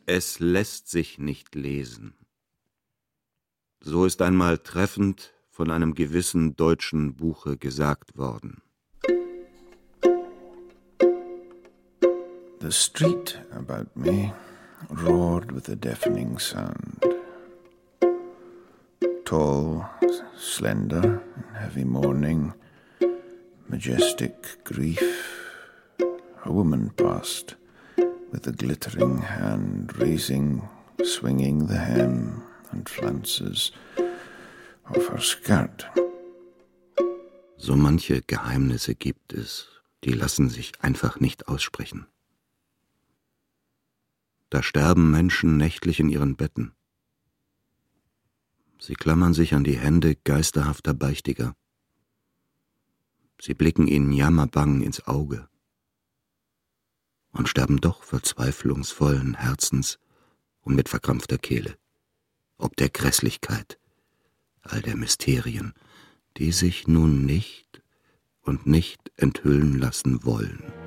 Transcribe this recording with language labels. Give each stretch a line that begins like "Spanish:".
German: Es lässt sich nicht lesen. So ist einmal treffend von einem gewissen deutschen Buche gesagt worden.
English: The street about me roared with a deafening sound. Tall, slender, heavy mourning, majestic grief. A woman passed with a glittering hand, raising, swinging the hem and flounces of her skirt.
German: So manche Geheimnisse gibt es, die lassen sich einfach nicht aussprechen. Da sterben Menschen nächtlich in ihren Betten. Sie klammern sich an die Hände geisterhafter Beichtiger. Sie blicken ihnen jammerbang ins Auge und sterben doch verzweiflungsvollen Herzens und mit verkrampfter Kehle, ob der Grässlichkeit, all der Mysterien, die sich nun nicht und nicht enthüllen lassen wollen.